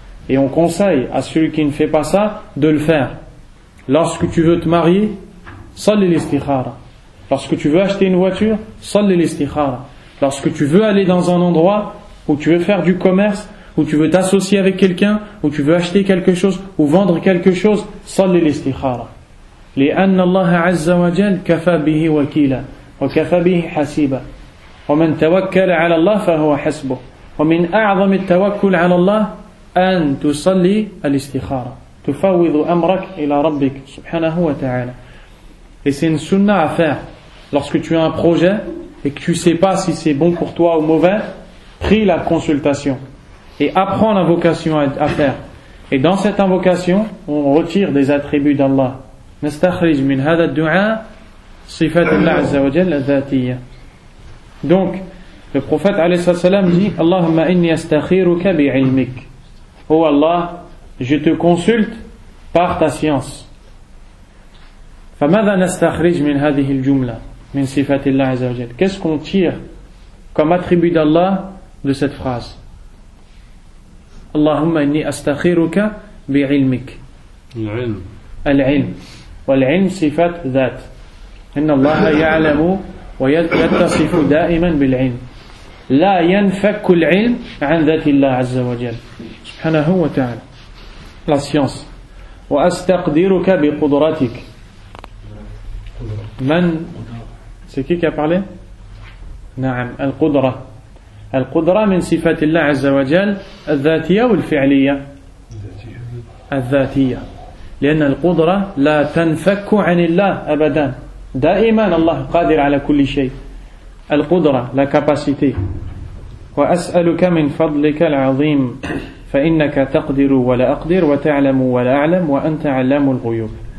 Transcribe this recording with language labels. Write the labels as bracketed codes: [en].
[fr] Et on conseille à celui qui ne fait pas ça de le faire. Lorsque tu veux te marier, [ar] salli l'istikhara. [fr] Lorsque tu veux acheter une voiture, [ar] salli l'istikhara. [fr] Lorsque tu veux aller dans un endroit où tu veux faire du commerce, ou tu veux t'associer avec quelqu'un, ou tu veux acheter quelque chose, ou vendre quelque chose, salli l'istikhara. [ar] لأن الله عز وجل كفى به وكيلا وكفى به حسيبا ومن توكل على الله فهو حسبه ومن أعظم التوكل على الله أن تصلي الاستخارة تفوض أمرك إلى ربك سبحانه وتعالى. [fr] Et c'est une sunna à faire. Lorsque tu as un projet et que tu ne sais pas si c'est bon pour toi ou mauvais, prie la consultation et apprends l'invocation à faire. Et dans cette invocation, on retire des attributs d'Allah. [ar] نستخرج من هذا الدعاء صفات الله عز وجل الذاتية. [fr] Donc, le prophète [ar] عليه الصلاة والسلام [fr] dit, [ar] اللهم إني أستخيرك بعلمك. [fr] Oh Allah, je te consulte par ta science. [ar] فماذا نستخرج من هذه الجملة من صفات الله عز وجل. [fr] Qu'est-ce qu'on tire comme attribut d'Allah de cette phrase? [ar] اللهم إني أستخيرك بعلمك. العلم. العلم. والعلم صفة ذات. إن الله يعلم ويتصف دائما بالعلم. لا ينفك العلم عن ذات الله عز وجل. سبحانه وتعالى. [fr] La science. [ar] وأستقدرك بقدرتك. من؟ [fr] C'est qui a parlé؟ [ar] نعم. القدرة. القدرة من صفات الله عز وجل الذاتية والفعلية. الذاتية. لأن القدرة لا تنفك عن الله أبدا, دائما الله قادر على كل شيء. القدرة [fr] لا كاباسيتي. [ar] وأسألك من فضلك العظيم فإنك تقدر ولا أقدر وتعلم ولا أعلم وأنت علام الغيوب.